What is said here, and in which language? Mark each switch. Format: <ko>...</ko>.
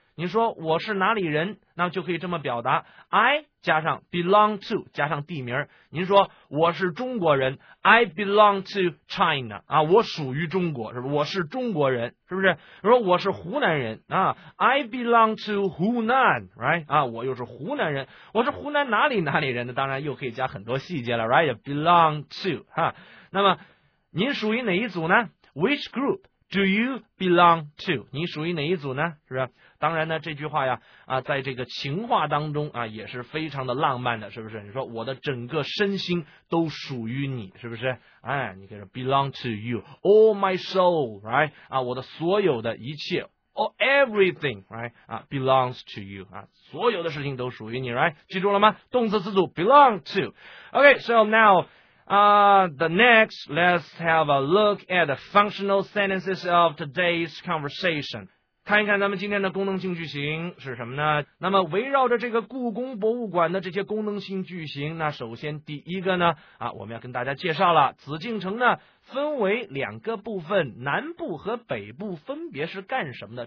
<zh>你说我是哪里人那就可以这么表达 I 加上 belong to 加上地名您说我是中国人</zh> <en>I belong to China</en> <zh>啊，我属于中国是不是我是中国人是不是说我是湖南人啊</zh> <en>I belong to Hunan right</en> <zh>啊，我又是湖南人我是湖南哪里哪里人的当然又可以加很多细节了</zh> <en>right belong to</en> <zh>哈、啊。那么您属于哪一组呢</zh> <en>which groupDo you belong to?</en> <zh>你属于哪一组呢？是不是？当然呢，这句话呀，啊，在这个情话当中啊，也是非常的浪漫的，是不是？你说我的整个身心都属于你，是不是？哎，你可以</zh> <en>belong to you, all my soul, right?</en> <zh>啊，我的所有的一切 ，</zh> <en>all everything, right?</en> <zh>啊 ，</zh> <en>belongs to you,</en> <zh>啊，所有的事情都属于你 ，</zh> <en>right?</en> <zh>记住了吗？动词词组</zh> <en>belong to. Okay, so now. The next, let's have a look at the functional sentences of today's conversation.</en> <zh>看一看咱们今天的功能性句型是什么呢？那么围绕着这个故宫博物馆的这些功能性句型，那首先第一个呢，啊，我们要跟大家介绍了，紫禁城呢，分为两个部分，南部和北部分别是干什么的？</zh>